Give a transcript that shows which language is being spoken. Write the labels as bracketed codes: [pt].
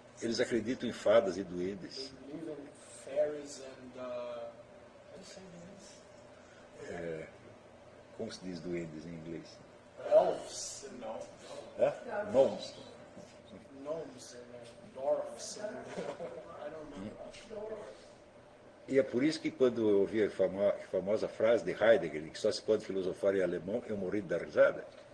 [pt] Eles acreditam em fadas e duendes. [en] They live in fairies and how do you say duendes? [pt] Como se diz duendes em inglês? [en] Elves. Gnomes. Gnomes and dwarves. I don't know. [pt] E é por isso que quando eu ouvi a famosa frase de Heidegger, que só se pode filosofar em alemão, eu morri da risada.